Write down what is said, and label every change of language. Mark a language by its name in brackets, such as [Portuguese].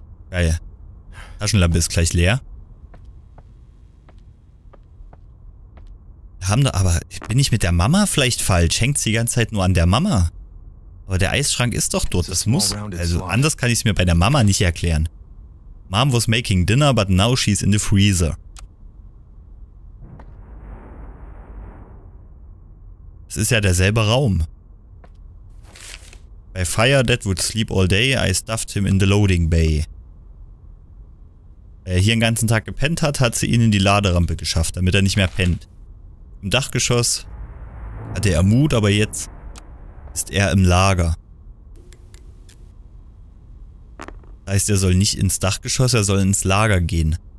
[German] Geil. Taschenlampe ist gleich leer. Wir haben da, aber bin ich mit der Mama vielleicht falsch? Hängt sie die ganze Zeit nur an der Mama? Aber der Eisschrank ist doch dort, das muss... Also anders kann ich es mir bei der Mama nicht erklären. [English] Mom was making dinner, but now she's in the freezer. [German] Es ist ja derselbe Raum. [English] By fire, Dad would sleep all day, I stuffed him in the loading bay. [German] Weil er hier den ganzen Tag gepennt hat, hat sie ihn in die Laderampe geschafft, damit er nicht mehr pennt. Im Dachgeschoss hatte er Mut, aber jetzt... ist er im Lager. Das heißt, er soll nicht ins Dachgeschoss, er soll ins Lager gehen.